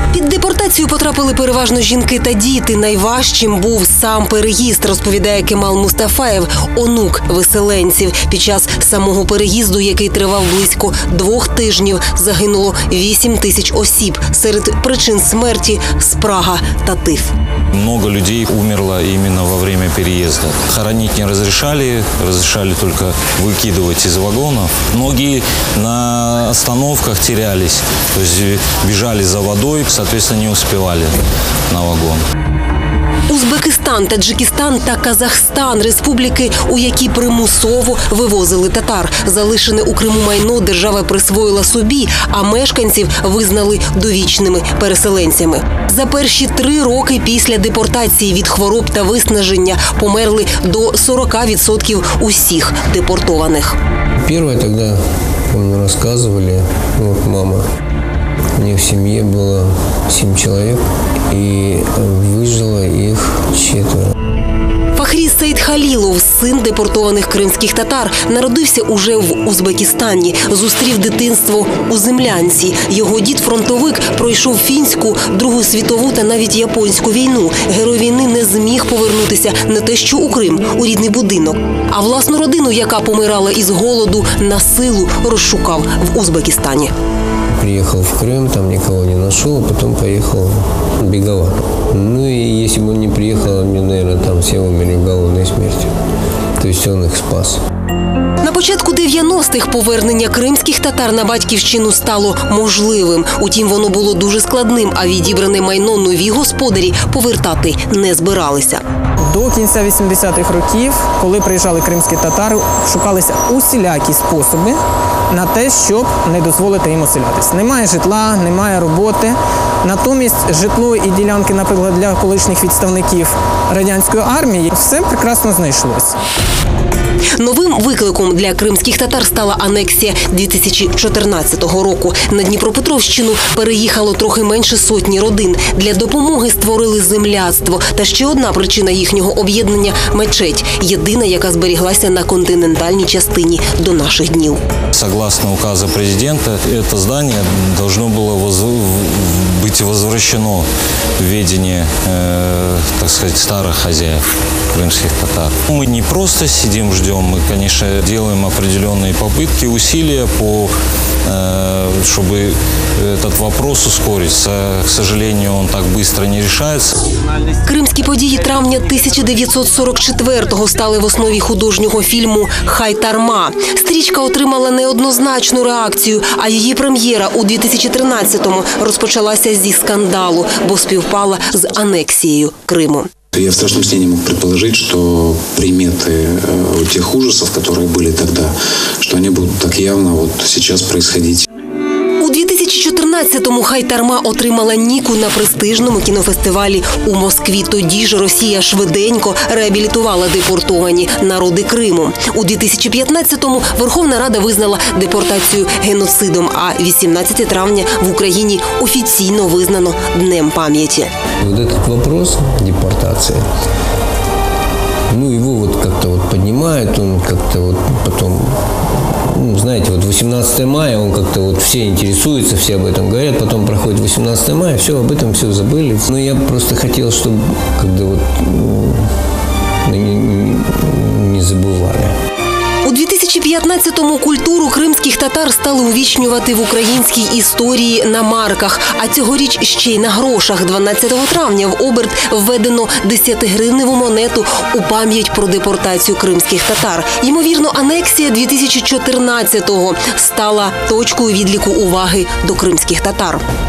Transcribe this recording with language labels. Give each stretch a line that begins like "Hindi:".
Ukrainian: Депортацію потрапили переважно жінки та діти. Найважчим був сам переїзд, розповідає Кемал Мустафаєв, онук виселенців. Під час самого переїзду, який тривав близько 2 тижнів, загинуло 8 тисяч осіб. Серед причин смерті – спрага та тиф.
Russian: Много людей умерло именно во время переезда. Хоронить не разрешали, разрешали только выкидывать из вагонов. Многие на остановках терялись, то есть бежали за водой, соответственно, не успевали на вагон.
Ukrainian: Узбекистан, Таджикистан та Казахстан – республіки, у які примусово вивозили татар. Залишене у Криму майно держава присвоїла собі, а мешканців визнали довічними переселенцями. За перші 3 роки після депортації від хвороб та виснаження померли до 40% усіх депортованих. Перше тоді, пам'ятаю, розказували, от мама. У них в сім'ї було 7 чоловік, і вижило їх 4. Фахріз Сейдхалілов – син депортованих кримських татар. Народився уже в Узбекистані. Зустрів дитинство у землянці. Його дід-фронтовик пройшов фінську, Другу світову та навіть японську війну. Герой війни не зміг повернутися не те, що у Крим, у рідний будинок. А власну родину, яка помирала із голоду, на силу розшукав в Узбекистані.
Russian: Приехал в Крым, там никого не нашел, а потом поехал в Бегово. Ну и если бы он не приехал, они, наверное, там все умерли голодной смертью. То есть он их спас.
Ukrainian: На початку 90-х повернення кримських татар на батьківщину стало можливим. Утім, воно було дуже складним, а відібране майно нові господарі повертати не збиралися. До кінця 80-х років, коли приїжджали кримські татари, шукалися усілякі способи на те, щоб не дозволити їм оселятися. Немає житла, немає роботи. Натомість житло і ділянки, наприклад, для колишніх відставників радянської армії, все прекрасно знайшлось. Новим викликом для кримських татар стала анексія 2014 року. На Дніпропетровщину переїхало трохи менше 100 родин. Для допомоги створили земляцтво. Та ще одна причина їхнього об'єднання – мечеть. Єдина, яка зберіглася на континентальній частині до наших днів. Согласно указу президента, це здання повинно було бути повернено в ведення, так сказати, старих хазяїв кримських татар. Ми не просто сидимо, ждемо.
Russian: Мы, конечно, делаем определенные попытки, усилия, по, чтобы этот вопрос ускориться. К сожалению, он так быстро не решается.
Ukrainian: Кримські події травня 1944-го стали в основі художнього фільму «Хайтарма». Стрічка отримала неоднозначну реакцію, а її прем'єра у 2013-му розпочалася зі скандалу, бо співпала з анексією Криму.
Russian: Я в страшном сне не мог предположить, что приметы тех ужасов, которые были тогда, что они будут так явно вот сейчас происходить.
Ukrainian: У 2014-му «Хайтарма» отримала Ніку на престижному кінофестивалі у Москві. Тоді ж Росія швиденько реабілітувала депортовані народи Криму. У 2015-му Верховна Рада визнала депортацію геноцидом, а 18 травня в Україні офіційно визнано Днем пам'яті.
Russian: Вот этот вопрос депортации, ну его вот как-то вот поднимают, он как-то вот потом, ну знаете, вот 18 мая, он как-то вот все интересуются, все об этом говорят, потом проходит 18 мая, все об этом все забыли. Но я просто хотел, чтобы как-то вот не забывали.
Ukrainian: У 2015-му культуру кримських татар стали увічнювати в українській історії на марках, а цьогоріч ще й на грошах. 12 травня в оберт введено 10-гривневу монету у пам'ять про депортацію кримських татар. Ймовірно, анексія 2014-го стала точкою відліку уваги до кримських татар.